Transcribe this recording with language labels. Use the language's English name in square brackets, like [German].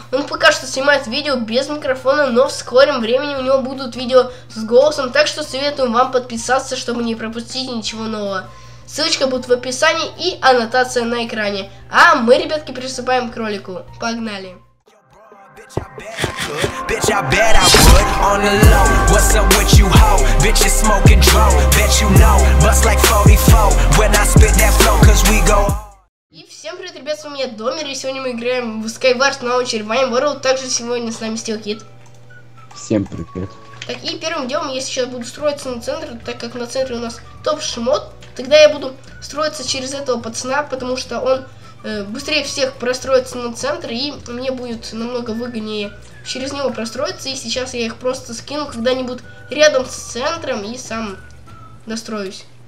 [Russian] Он пока что снимает видео без микрофона, но в скором времени у него будут видео с голосом, так что советую вам подписаться, чтобы не пропустить ничего нового. Ссылочка будет в описании и аннотация на экране. А мы, ребятки, приступаем к ролику. Погнали! [English] Bitch, I bet I would on the low. What's up with you, ho? Bitch, you smoking draw. Bet you know, bust like 44 when I spit that flow, cause we go. [Russian] И всем привет, ребят, с вами я, Домер, и сегодня мы играем в Skywars на очередь Вайн Ворлд. Также сегодня с нами Steel Kid. Всем привет. Так, и первым делом я сейчас буду строиться на центр, так как на центре у нас топ-шмот. Тогда я буду строиться через этого пацана, потому что он быстрее всех простроится на центр, и мне будет намного выгоднее через него простроиться. И сейчас я их просто скину когда-нибудь рядом с центром и сам достроюсь.